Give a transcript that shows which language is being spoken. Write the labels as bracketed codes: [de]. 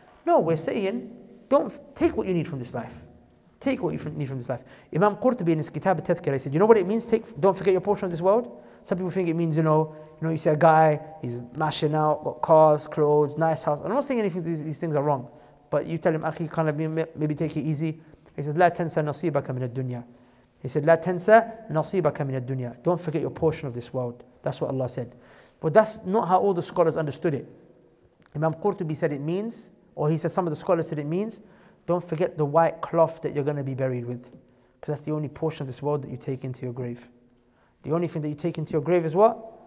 [en] No, we're saying, take what you need from this life. Take what you need from this life. Imam Qurtubi in his Kitab al-Tadhkirah, he said, you know what it means? Don't forget your portion of this world. Some people think it means, you know, you see a guy, he's mashing out, got cars, clothes, nice house. I'm not saying anything, these things are wrong. But you tell him, akhi, can't maybe take it easy. He says, [ar] لا تنسى نصيبك من الدنيا. [en] He said, [ar] لا تنسى نصيبك من الدنيا. [en] Don't forget your portion of this world. That's what Allah said. But that's not how all the scholars understood it. Imam Qurtubi said it means, or he said some of the scholars said it means, don't forget the white cloth that you're going to be buried with. Because that's the only portion of this world that you take into your grave. The only thing that you take into your grave is what?